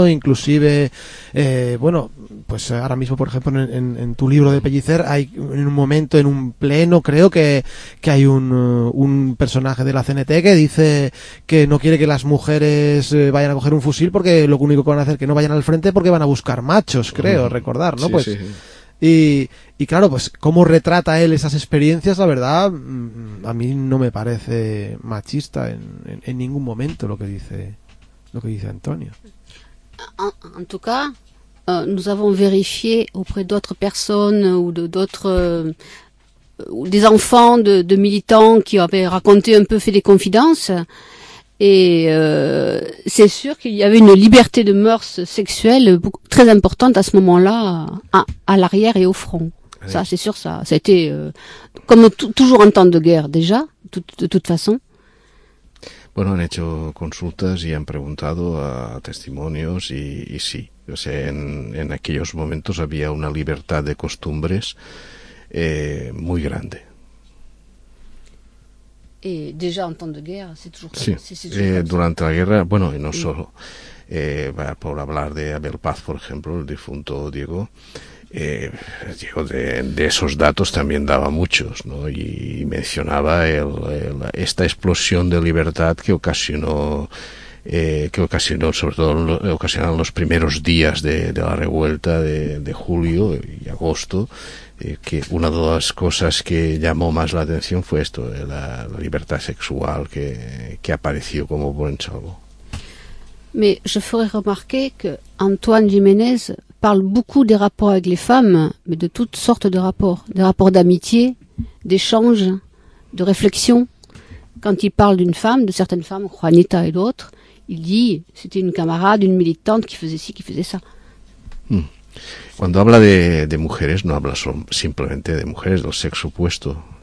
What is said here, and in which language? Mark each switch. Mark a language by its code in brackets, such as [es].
[es] Inclusive, bueno, pues ahora mismo, por ejemplo, en tu libro de Pellicer, hay en un momento, en un pleno, creo que hay un personaje de la CNT que dice que no quiere que las mujeres vayan a coger un fusil porque lo único que van a hacer es que no vayan al frente porque van a buscar machos, creo, recordar, ¿no? Sí, pues, sí. Y claro, pues cómo retrata él esas experiencias, la verdad, a mí no me parece machista en ningún momento lo que dice Antonio. [fr] En tout cas, nous avons vérifié auprès d'autres personnes ou d'autres des enfants de militants qui avaient raconté un peu, fait des confidences, et c'est sûr qu'il y avait une liberté de mœurs sexuelle très importante à ce moment-là, à l'arrière et au front. Ça, c'est sûr, ça a été comme toujours en temps de guerre, déjà, de toute façon. [es] Bueno, han hecho consultas y han preguntado a testimonios y sí. O sea, en aquellos momentos había una libertad de costumbres muy grande. [fr] Y déjà en temps de guerre, c'est toujours. [es] Sí, durante la guerra, bueno, y no solo. Por hablar de Abel Paz, por ejemplo, el difunto Diego. Diego, de esos datos también daba muchos, ¿no? Y mencionaba esta explosión de libertad que ocasionó, sobre todo ocasionaron los primeros días de la revuelta de julio y agosto, que una de las cosas que llamó más la atención fue esto, la libertad sexual que apareció como buen salvo. [fr] Mais je ferai remarquer que Antoine Jiménez parle beaucoup des rapports avec les femmes, mais de toutes sortes de rapports, des rapports d'amitié, d'échange, de réflexion. Quand il parle d'une femme, de certaines femmes, Juanita et d'autres, il dit c'était une camarade, une militante qui faisait ci, qui faisait ça. [es] Cuando habla de mujeres, no habla simplemente de mujeres del sexo opuesto.